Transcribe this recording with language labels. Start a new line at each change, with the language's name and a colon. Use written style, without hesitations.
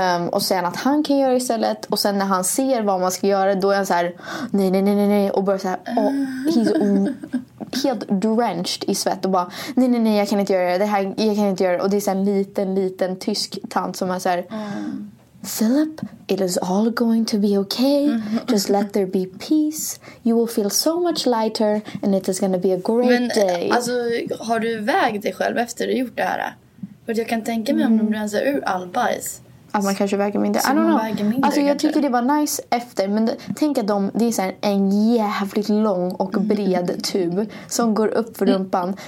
Swedish: Och sen att han kan göra istället, och sen när han ser vad man ska göra, då är han så här, nej, och börjar så här, oh, he's helt drenched i svett och bara, nej, jag kan inte göra det här, jag kan inte göra det. Och det är så en liten tysk tant som är så här, Philip,
English: it is all going to be okay. Just let there be peace. You will feel so much lighter and it is going to be a great day.
Swedish: Men alltså, har du vägt dig själv efter du gjort det här? För jag kan tänka mig om du rensar ur all bajs. Att man kanske väger mindre. Väger mindre alltså jag tycker det var nice efter. Men tänk att det är så här en jävligt lång och bred tub som går upp för rumpan.